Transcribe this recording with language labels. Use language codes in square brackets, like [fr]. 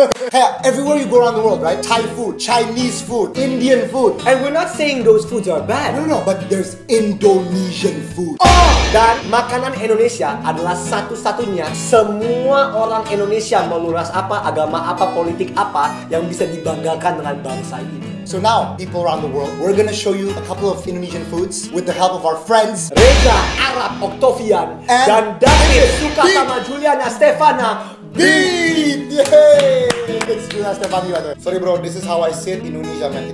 [en] Hey, everywhere you go around the world, right? Thai food, Chinese food, Indian food. And we're not saying those foods are bad. No, but there's Indonesian food. [id] Dan makanan Indonesia adalah satu-satunya semua orang Indonesia meluras apa, agama apa, politik apa yang bisa dibanggakan dengan bangsa ini. [en] So now, people around the world, we're gonna show you a couple of Indonesian foods with the help of our friends Reza, Arab, Octavian, and [id] dan David, suka sama Juliana, Stefana, [en] Bean! Yay! It's Juliana, Stefani, by the way. Sorry bro, this is how I sit Indonesia, man.